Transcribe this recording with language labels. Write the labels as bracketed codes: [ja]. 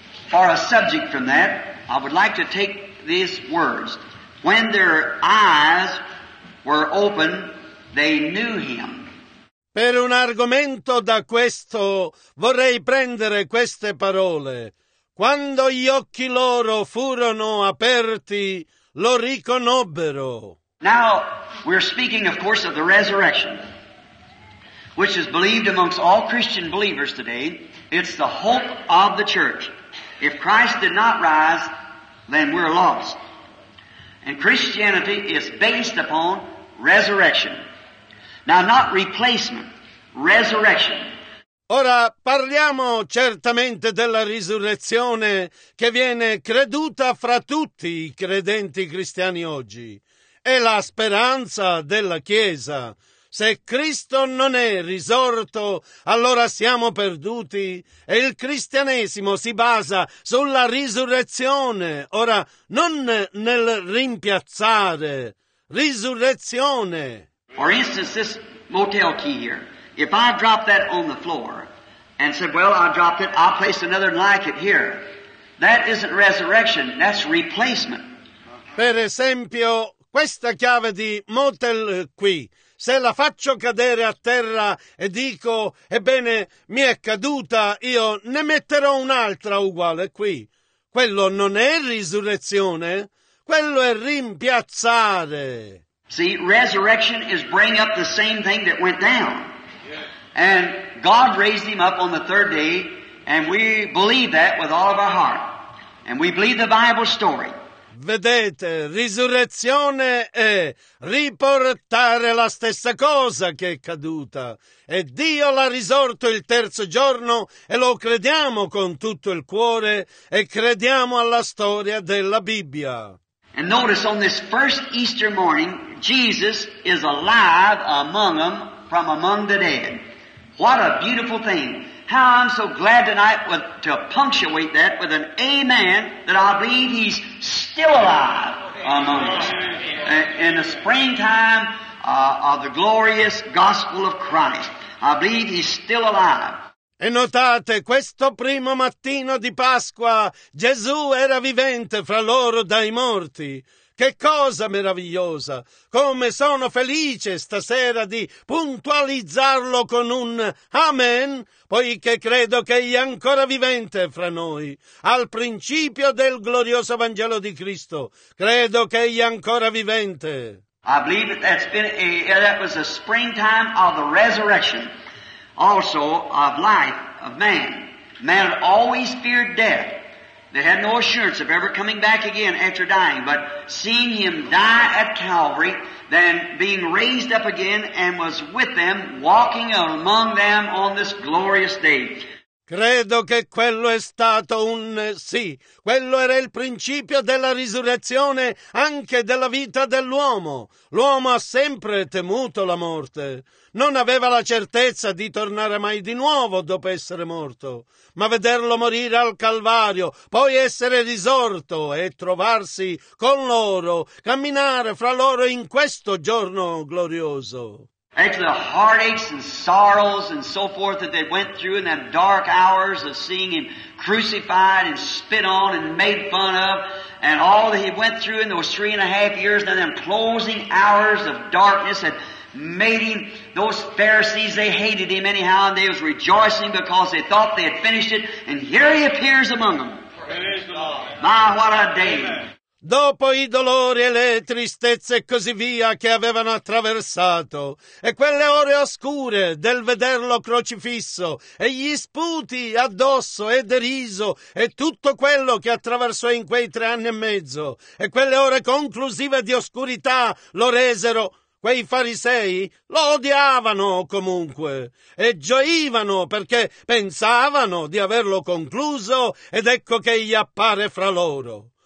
[en] For a subject from that, I would like to take these words. When their eyes were open, they knew him. [it] Per un argomento da questo vorrei prendere queste parole. Quando gli occhi loro furono aperti, lo riconobbero. [en] Now we're speaking, of course, of the resurrection, which is believed amongst all Christian believers today. It's the hope of the church. If Christ did not rise, then we're lost. And Christianity is based upon resurrection. Now, not replacement, resurrection. [it] Ora parliamo certamente della risurrezione che viene creduta fra tutti i credenti cristiani oggi. È la speranza della Chiesa. Se Cristo non è risorto, allora siamo perduti. E il cristianesimo si basa sulla risurrezione. Ora, non nel rimpiazzare. Risurrezione. [en] For instance, this motel key here. If I drop that on the floor and said, well, I dropped it, I'll place another like it here. That isn't resurrection, that's replacement. [it] Per esempio, questa chiave di motel qui, se la faccio cadere a terra e dico, ebbene, mi è caduta, io ne metterò un'altra uguale qui. Quello non è risurrezione, quello è rimpiazzare. [en] See, resurrection is bring up the same thing that went down. And God raised him up on the third day, and we believe that with all of our heart. And we believe the Bible story. [it] Vedete, risurrezione è riportare la stessa cosa che è caduta. E Dio l'ha risorto il terzo giorno e lo crediamo con tutto il cuore e crediamo alla storia della Bibbia. [en] And notice on this first Easter morning, Jesus is alive among them from among the dead. What a beautiful thing. How I'm so glad tonight to punctuate that with an amen that I believe he's still alive among us in the springtime of the glorious gospel of Christ. I believe he's still alive. [it] E notate, questo primo mattino di Pasqua, Gesù era vivente fra loro dai morti. Che cosa meravigliosa! Come sono felice stasera di puntualizzarlo con un amen, poiché credo che egli è ancora vivente fra noi. Al principio del glorioso Vangelo di Cristo, credo che egli è ancora vivente. [en] I believe that's been that was a springtime of the resurrection, also of life of man. Man had always feared death. They had no assurance of ever coming back again after dying, but seeing him die at Calvary, then being raised up again and was with them, walking among them on this glorious day. [it] Credo che quello è stato un sì. Quello era il principio della risurrezione anche della vita dell'uomo. L'uomo ha sempre temuto la morte. Non aveva la certezza di tornare mai di nuovo dopo essere morto. Ma vederlo morire al Calvario, poi essere risorto e trovarsi con loro, camminare fra loro in questo giorno glorioso. [en] After the heartaches and sorrows and so forth that they went through in that dark hours of seeing him crucified and spit on and made fun of, and all that he went through in those 3.5 years, and then closing hours of darkness that made him, those Pharisees, they hated him anyhow, and they was rejoicing because they thought they had finished it, and here he appears among them. Praise God. My, what a day. Amen. [it] Dopo i dolori e le tristezze e così via che avevano attraversato, e quelle ore oscure del vederlo crocifisso, e gli sputi addosso e deriso, e tutto quello che attraversò in quei 3.5 anni, e quelle ore conclusive di oscurità lo resero, quei farisei lo odiavano comunque, e gioivano perché pensavano di averlo concluso, ed ecco che gli appare fra loro.